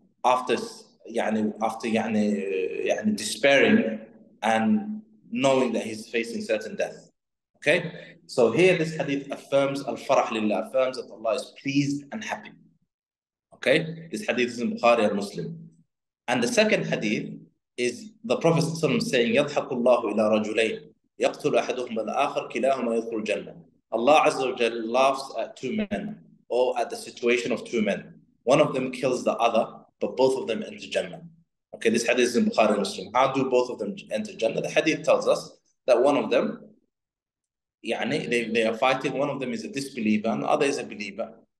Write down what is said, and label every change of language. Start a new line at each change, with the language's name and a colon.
English: after يعني after يعني يعني despairing and knowing that he's facing certain death. Okay, so here this hadith affirms al-farah lillah, affirms that Allah is pleased and happy. Okay, this hadith is in Bukhari and Muslim. And the second hadith is the Prophet saying,
Arabic: يَضْحَكُ اللَّهُ إِلَى رَجُلَيْنِ يَقْتُلُ أَحَدُهُمَ الْآخَرُ كِلَاهُمَا يَدْخُلُ الْجَنَّةَ.
English: Allah Azza wa Jalla laughs at two men or at the situation of two men. One of them kills the other, but both of them enter Jannah. Okay, this hadith is in Bukhari and Muslim. How do both of them enter Jannah? The hadith tells us that one of them, يعني they are fighting, one of them is a disbeliever and the other is a believer.